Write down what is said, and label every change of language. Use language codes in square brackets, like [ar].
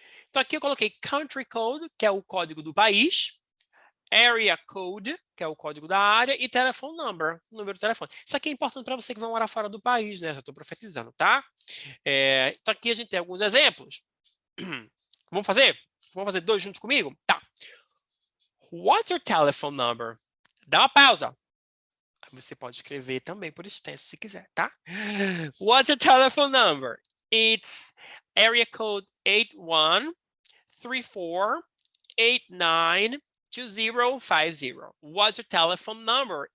[pt] Então aqui eu coloquei country code, que é o código do país, area code, que é o código da área, e telephone number, número de telefone. Isso aqui é importante para você que vai morar fora do país, né? Já estou profetizando, tá? Então aqui a gente tem alguns exemplos. Vamos fazer? Vamos fazer dois juntos comigo? Tá. [en] What's your telephone number? [pt] Dá uma pausa. Você pode escrever também por extenso, se quiser, tá? [en] What's your telephone number? It's area code 81 34892050. What's your telephone number?